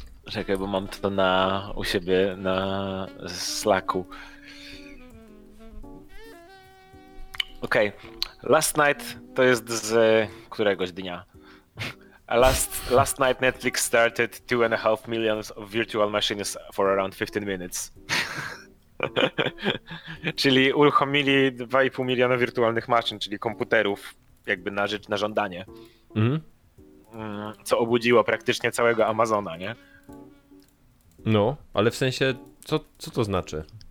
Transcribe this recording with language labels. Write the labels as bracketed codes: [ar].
[pl] Czekaj, bo mam to u siebie na Slacku. Okej. [en] Okay. Last night [pl] to jest z któregoś dnia. [en] Last night Netflix started 2.5 million of virtual machines for around 15 minutes. [pl] Czyli uruchomili 2,5 miliona wirtualnych maszyn, czyli komputerów. Jakby na rzecz, na żądanie. Mm. Co obudziło praktycznie całego Amazona, nie? No, ale w sensie, co to znaczy?